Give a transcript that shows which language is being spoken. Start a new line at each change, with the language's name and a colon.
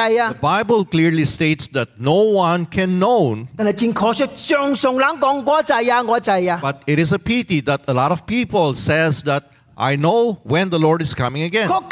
English: the Bible clearly states that no one can know.
Chinese: 但是真可惜, 常常人說, 我知呀, 我知呀.
English: But it is a pity that a lot of people says that I know when the Lord is coming again.